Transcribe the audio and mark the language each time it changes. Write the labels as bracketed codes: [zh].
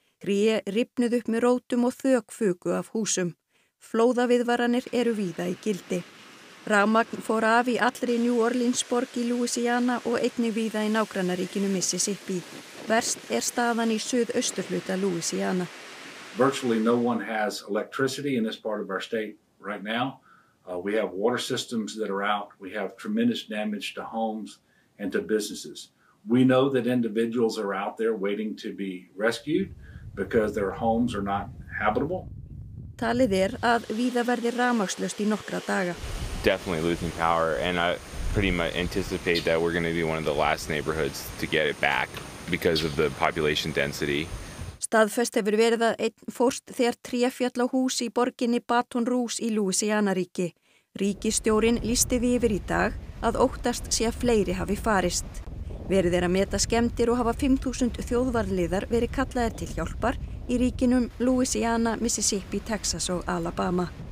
[is] Tré rifnuð upp með rótum og þök fuku af húsum. Flóðaviðvaranir eru víða í gildi. Rafmagn fór af í allri New Orleans borg í Louisiana og einnig víða í nágrannaríkinu Mississippi. Verst staðan í suðausturhluta Louisiana. [en] Virtually no one has electricity in this part of our state right now. We have water systems that are out. We have tremendous damage to homes and to businesses. We know that individuals are out there waiting to be rescued. Because their homes are not habitable. [is] Talið að víða verði rafmagnslaust í nokkra daga. [en] Definitely losing power and I pretty much anticipate that we're going to be one of the last neighborhoods to get it back because of the population density. [is] Staðfest hefur verið að einn fórst þegar tré féll á hús í borginni Baton Rouge í Louisiana ríki. Ríkisstjórinn lýsti því yfir í dag að óttast sé að fleiri hafi farist. Verið að meta skemmdir og hafa 5.000 þjóðvarðliðar verið kallaðir til hjálpar í ríkinum Louisiana, Mississippi, Texas og Alabama.